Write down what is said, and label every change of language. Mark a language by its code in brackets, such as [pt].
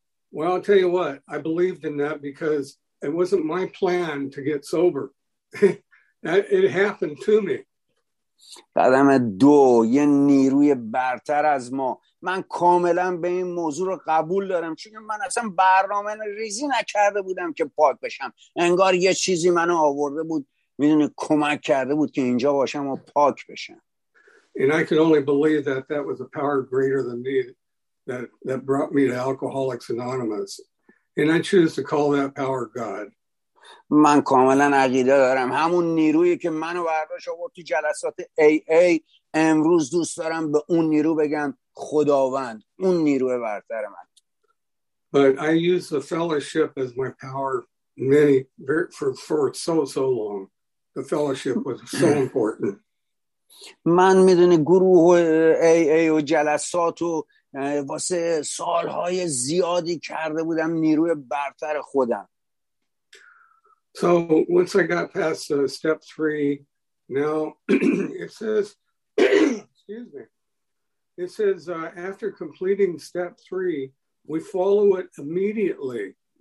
[en] Well, I'll tell you what, I believed in that because it wasn't my plan to get sober. It happened to me. [fa] قدم دو، یه نیروی برتر از ما. من کاملا به این موضوع رو قبول دارم، چون من اصلا برنامه ریزی نکرده بودم که پاک بشم. انگار یه چیزی منو آورده بود، میدونی کمک کرده بود که اینجا باشم و پاک بشم. [en] And I could only believe that that was a power greater than me that brought me to Alcoholics Anonymous. And I choose to call that power God. [fa] من کاملا عقیده دارم همون نیرویی که منو برداشت آورد تو جلسات AA، امروز دوست دارم به اون نیرو بگم خداوند، اون نیروی برتر من. [en] But I use the fellowship as my power many for so long. The fellowship was so important. [fa] من میدونی گروه AA و جلسات و واسه سالهای زیادی کرده بودم نیروی برتر خودم. [en] So once I got past step three, now it says, excuse me, it says after completing step three, we follow it immediately.